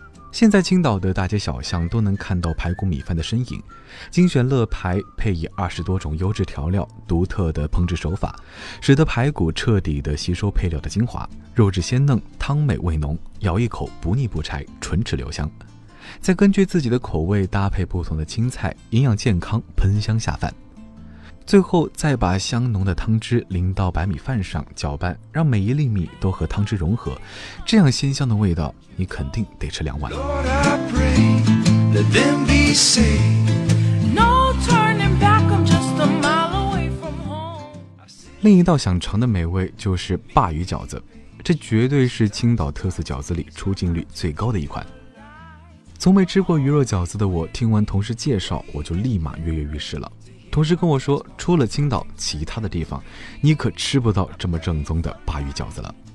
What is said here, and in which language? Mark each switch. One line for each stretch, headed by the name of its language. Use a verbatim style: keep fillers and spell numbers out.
Chinese: 现在青岛的大街小巷都能看到排骨米饭的身影，精选乐排配以二十多种优质调料，独特的烹制手法，使得排骨彻底的吸收配料的精华，肉质鲜嫩，汤美味浓，咬一口不腻不柴，唇齿留香。再根据自己的口味搭配不同的青菜，营养健康，喷香下饭。最后再把香浓的汤汁淋到白米饭上，搅拌，让每一粒米都和汤汁融合，这样鲜香的味道你肯定得吃两碗。
English: Lord, I pray, let them be saved. No turning back, I'm just a mile away from home.
Chinese: 另一道想尝的美味就是鲅鱼饺子，这绝对是青岛特色饺子里出镜率最高的一款。从没吃过鱼肉饺子的我，听完同事介绍，我就立马跃跃欲试了。同事跟我说，除了青岛，其他的地方你可吃不到这么正宗的鲅鱼饺子了。